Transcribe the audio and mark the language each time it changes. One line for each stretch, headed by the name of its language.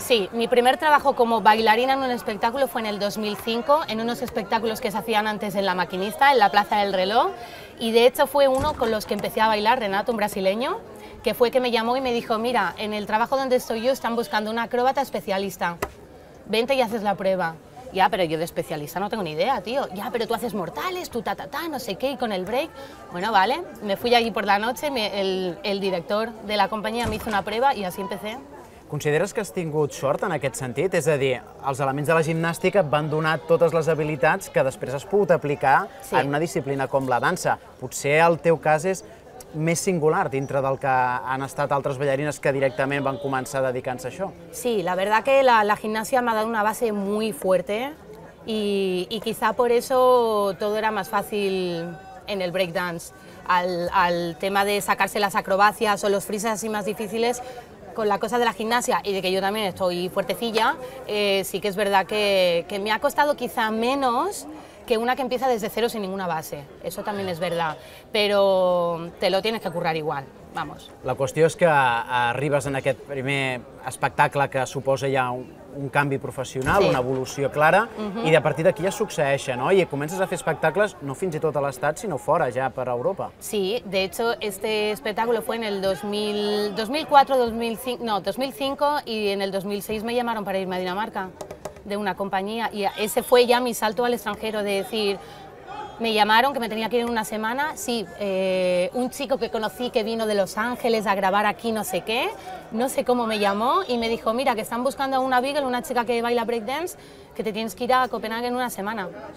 Spanish: Sí, mi primer trabajo como bailarina en un espectáculo fue en el 2005, en unos espectáculos que se hacían antes en La Maquinista, en la Plaza del Reloj, y de hecho fue uno con los que empecé a bailar, Renato, un brasileño, que fue que me llamó y me dijo, mira, en el trabajo donde estoy yo están buscando una acróbata especialista, vente y haces la prueba. Ya, pero yo de especialista no tengo ni idea, tío. Ya, pero tú haces mortales, tú ta, no sé qué, y con el break. Bueno, vale, me fui allí por la noche, el director de la compañía me hizo una prueba y así empecé.
Catalan: ¿Consideres que has tingut sort en aquest sentit? És a dir, els elements de la gimnàstica et van donar totes les habilitats que després has pogut aplicar, sí, en una disciplina com la dansa. Potser el teu cas és més singular dintre del que han estat altres ballarines que directament van començar dedicant-se a això?
Spanish: Sí, la verdad que la gimnasia me ha dado una base muy fuerte y quizá por eso todo era más fácil en el breakdance. Al tema de sacarse las acrobacias o los freezes así más difíciles, con la cosa de la gimnasia y de que yo también estoy fuertecilla, sí que es verdad que me ha costado quizá menos que una que empieza desde cero sin ninguna base. Eso también es verdad, pero te lo tienes que currar igual, vamos.
Catalan: La qüestió és que arribes en aquest primer espectacle que suposa ja un canvi professional, sí. Una evolució clara, uh-huh. I de partir d'aquí ja succeeixen, no? I comences a fer espectacles no fins i tot a l'Estat, sinó fora, ja per Europa.
Spanish: Sí, de hecho, este espectáculo fue en el 2005 y en el 2006 me llamaron para irme a Dinamarca. De una compañía, y ese fue ya mi salto al extranjero, de decir, me llamaron que me tenía que ir en una semana, sí, un chico que conocí que vino de Los Ángeles a grabar aquí no sé qué, no sé cómo me llamó, y me dijo, mira, que están buscando a una beagle, una chica que baila breakdance, que te tienes que ir a Copenhague en una semana.